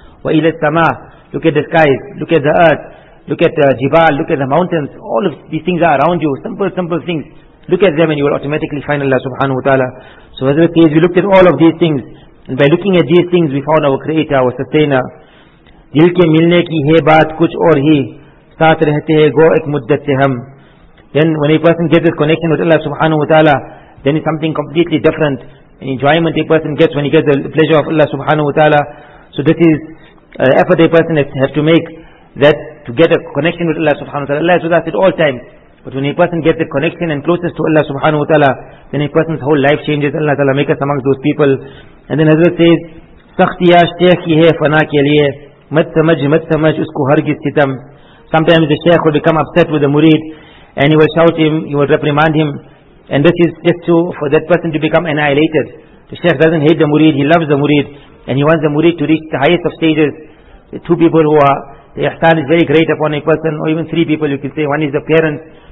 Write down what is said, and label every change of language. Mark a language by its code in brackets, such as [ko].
[ar] وَإِلَى السَّمَاءِ. [en] Look at the skies, look at the earth, look at the jibal, look at the mountains. All of these things are around you, simple things. Look at them and you will automatically find Allah subhanahu wa ta'ala. So as it is, we looked at all of these things. And by looking at these things, we found our creator, our sustainer. [ur] دل کے ملنے کی ہے بات کچھ اور ہی ساتھ رہتے ہیں گو ایک مدت سے ہم. [en] Then when a person gets this connection with Allah subhanahu wa ta'ala, then it's something completely different. An enjoyment a person gets when he gets the pleasure of Allah subhanahu wa ta'ala. So this is an effort a person has to make, that to get a connection with Allah subhanahu wa ta'ala. Allah is with us at all times. But when a person gets the connection and closeness to Allah subhanahu wa ta'ala, then a person's whole life changes. Allah ta'ala make us amongst those people. And then Hazrat says, [ur] سختیہ شیخ کی ہے فنا کے لیے مت سمجھ اس کو ہرگز ستم. [en] Sometimes the sheikh will become upset with the murid and he will shout him, he will reprimand him, and this is just to for that person to become annihilated. The sheikh doesn't hate the murid, he loves the murid and he wants the murid to reach the highest of stages. The two people who are, the ihsan is very great upon a person, or even three people you can say. One is the parents.